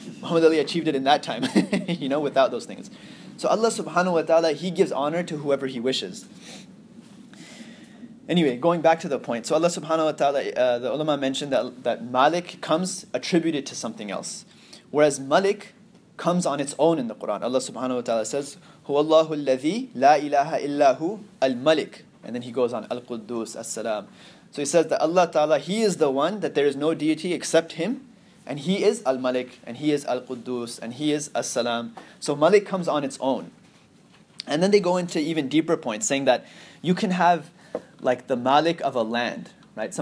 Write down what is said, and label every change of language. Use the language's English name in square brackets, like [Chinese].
[English] Muhammad Ali achieved it in that time, you know, without those things. So Allah subhanahu wa ta'ala, He gives honor to whoever He wishes. Anyway, going back to the point. So Allah subhanahu wa ta'ala, the ulama mentioned that Malik comes attributed to something else. Whereas Malik comes on its own in the Quran. Allah subhanahu wa ta'ala says, [Arabic] هو الله الذي لا إله إلا هو الملك. [English] And then He goes on, Al-Quddus, As-Salam. So He says that Allah Ta'ala, He is the one that there is no deity except Him, and He is Al-Malik, and He is Al-Quddus, and He is As-Salam. So Malik comes on its own. And then they go into even deeper points, saying that you can have like the Malik of a land, right?